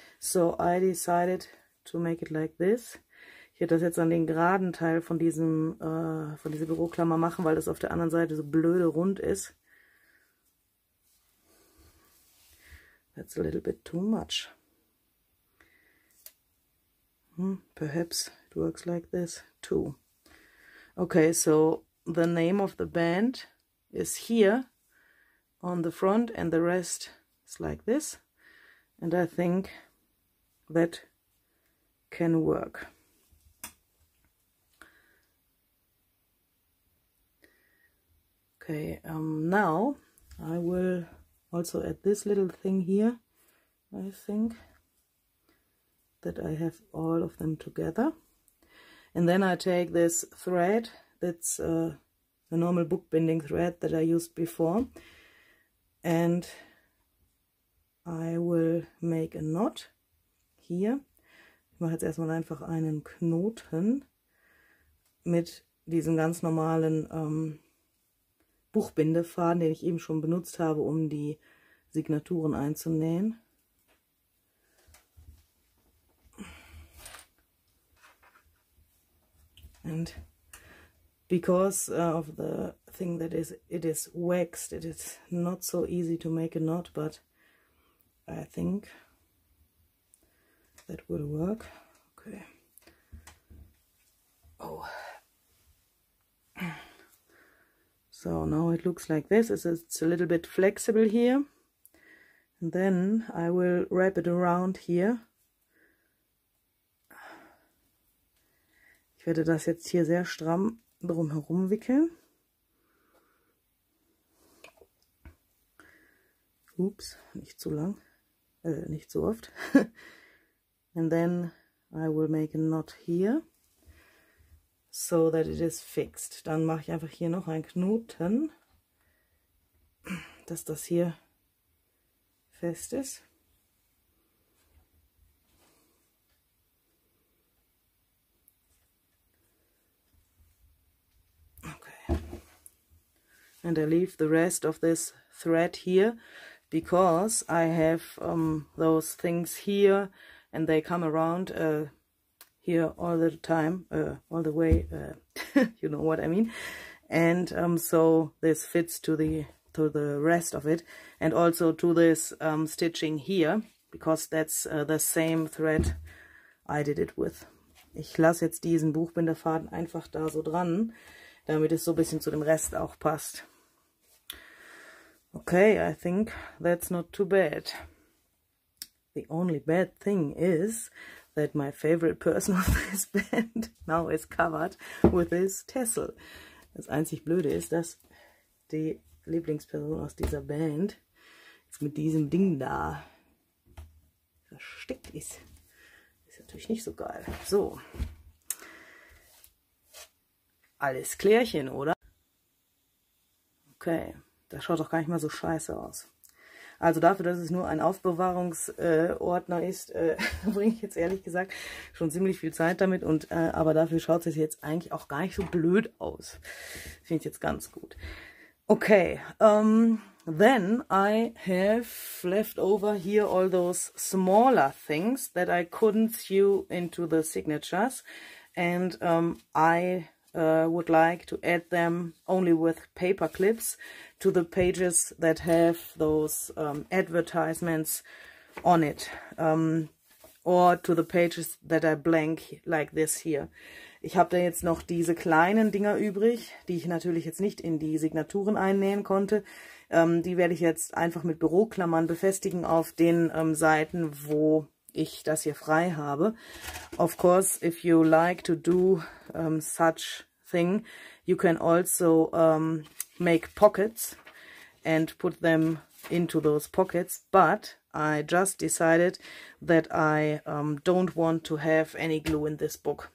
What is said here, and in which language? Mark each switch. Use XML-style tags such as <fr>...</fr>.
<en>So I decided to make it like this.</en> <de>Ich hätte das jetzt an den geraden Teil von diesem von dieser Büroklammer machen, weil das auf der anderen Seite so blöde rund ist.</de> <en>That's a little bit too much. Perhaps it works like this too. Okay, so the name of the band is here on the front and the rest is like this. And I think that can work. Okay, now I will also add this little thing here. I think that I have all of them together. And then I take this thread, that's a normal bookbinding thread that I used before, and I will make a knot here.</en> <de>Ich mache jetzt erstmal einfach einen Knoten mit diesem ganz normalen Buchbindefaden, den ich eben schon benutzt habe, um die Signaturen einzunähen.</de> <en>And because of the thing that it is waxed, it is not so easy to make a knot, but I think that will work. Okay. Oh. So now it looks like this. It's a little bit flexible here. And then I will wrap it around here.</en> <de>Ich werde das jetzt hier sehr stramm drumherum wickeln. Oops, nicht zu lang. Nicht so oft.</de> <en>And then I will make a knot here, so that it is fixed.</en> <de>Dann mache ich einfach hier noch einen Knoten, dass das hier fest ist.</de> <en>Okay. And I leave the rest of this thread here, because I have those things here, and they come around here all the time, all the way, you know what I mean. And so this fits to the rest of it, and also to this stitching here, because that's the same thread I did it with.</en> <de>Ich lasse jetzt diesen Buchbinderfaden einfach da so dran, damit es so ein bisschen zu dem Rest auch passt.</de> <en>Okay, I think that's not too bad. The only bad thing is that my favorite person of this band now is covered with this tassel.</en> <de>Das einzig Blöde ist, dass die Lieblingsperson aus dieser Band jetzt mit diesem Ding da versteckt ist. Ist natürlich nicht so geil. So. Alles Klärchen, oder? Okay. Das schaut doch gar nicht mal so scheiße aus. Also dafür, dass es nur ein Aufbewahrungsordner ist, bringe ich jetzt ehrlich gesagt schon ziemlich viel Zeit damit. Und aber dafür schaut es jetzt eigentlich auch gar nicht so blöd aus. Finde ich jetzt ganz gut.</de> <en>Okay, then I have left over here all those smaller things that I couldn't sew into the signatures. And I would like to add them only with paper clips to the pages that have those advertisements on it, or to the pages that are blank like this here.</en> <de>Ich habe da jetzt noch diese kleinen Dinger übrig, die ich natürlich jetzt nicht in die Signaturen einnähen konnte. Die werde ich jetzt einfach mit Büroklammern befestigen auf den Seiten, wo ich das hier frei habe.</de> <en>Of course, if you like to do such thing, you can also make pockets and put them into those pockets, but I just decided that I don't want to have any glue in this book.</en>